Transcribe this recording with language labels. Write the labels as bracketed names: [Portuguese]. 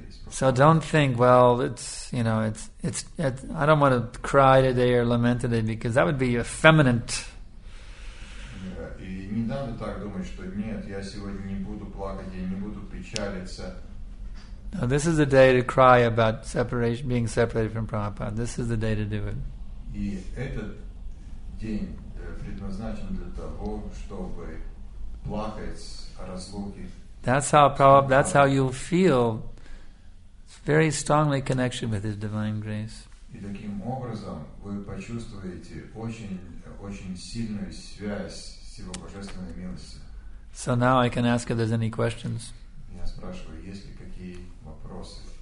[English] So don't think, well, it's I don't want to cry today or lament today, because that would be effeminate. No, this is the day to cry about separation, being separated from Prabhupada. This is the day to do it. [Russian] И этот день предназначен для того, чтобы плакать о разлуке. [English] That's how you'll feel very strongly connected with His divine grace. [Russian] И таким образом вы почувствуете очень сильную связь с Его божественной милостью. [English] So now I can ask if there's any questions. [Russian] Я спрашиваю, есть ли какие вопросы.